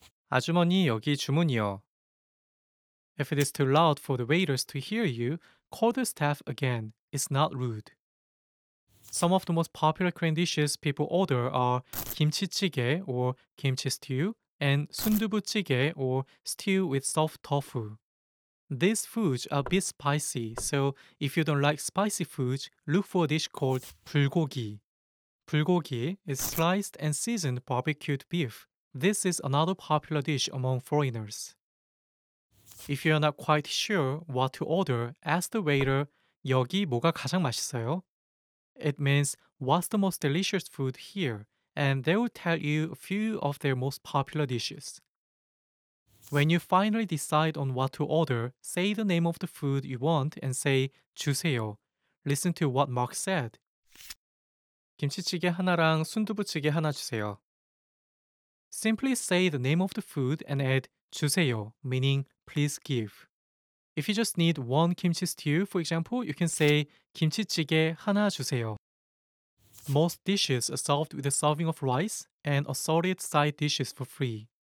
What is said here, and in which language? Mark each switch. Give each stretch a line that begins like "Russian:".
Korean: 아주머니, 여기 주문이요.
English: If it is too loud for the waiters to hear you, call the staff again. It's not rude. Some of the most popular Korean dishes people order are 김치찌개 or 김치 stew and 순두부찌개 or stew with soft tofu. These foods are a bit spicy, so if you don't like spicy foods, look for a dish called 불고기. 불고기 is sliced and seasoned barbecued beef. This is another popular dish among foreigners. If you're not quite sure what to order, ask the waiter,
Korean: 여기 뭐가 가장 맛있어요?
English: It means, what's the most delicious food here? And they will tell you a few of their most popular dishes. When you finally decide on what to order, say the name of the food you want and say 주세요. Listen to what Mark said.
Korean: 김치찌개 하나랑 순두부찌개 하나 주세요.
English: Simply say the name of the food and add 주세요, meaning please give. If you just need one kimchi stew, for example, you can say
Korean: 김치찌개 하나 주세요.
English: Most dishes are served with a serving of rice and assorted side dishes for free.